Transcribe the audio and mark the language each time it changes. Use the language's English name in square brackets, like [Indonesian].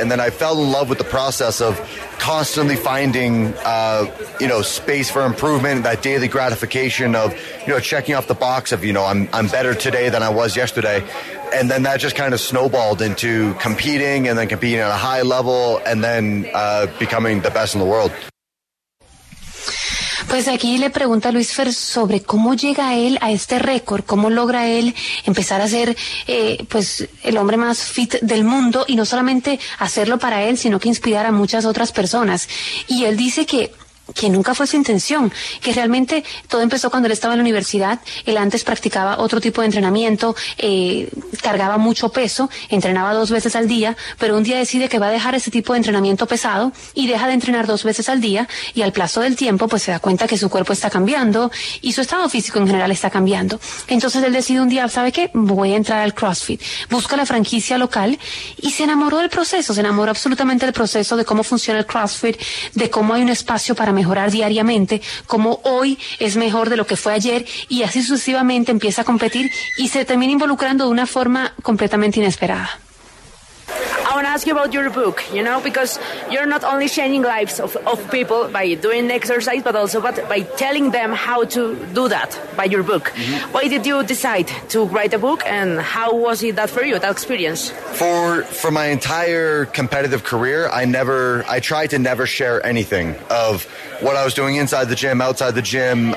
[English] And then I fell in love with the process of constantly finding, you know, space for improvement, that daily gratification of, you know, checking off the box of, you know, I'm better today than I was yesterday. And then that just kind of snowballed into competing and then competing at a high level and then becoming the best in the world. [Spanish] Pues aquí le pregunta Luis Fer sobre cómo llega él a este récord, cómo logra él empezar a ser pues el hombre más fit del mundo, y no solamente hacerlo para él, sino que inspirar a muchas otras personas. Y él dice que que nunca fue su intención, que realmente todo empezó cuando él estaba en la universidad. Él antes practicaba otro tipo de entrenamiento, cargaba mucho peso, entrenaba dos veces al día, pero un día decide que va a dejar ese tipo de entrenamiento pesado y deja de entrenar dos veces al día, y al plazo del tiempo pues se da cuenta que su cuerpo está cambiando y su estado físico en general está cambiando. Entonces él decide un día, ¿sabe qué? Voy a entrar al CrossFit. Busca la franquicia local y se enamoró del proceso, se enamoró absolutamente del proceso, de cómo funciona el CrossFit, de cómo hay un espacio para mejorar diariamente, como hoy es mejor de lo que fue ayer, y así sucesivamente empieza a competir y se termina involucrando de una forma completamente inesperada. [English] I want to ask you about your book, you know, because you're not only changing lives of people by doing exercise, but also by telling them how to do that by your book. Mm-hmm. Why did you decide to write a book, and how was it that for you, that experience? For my entire competitive career, I tried to never share anything of what I was doing inside the gym, outside the gym.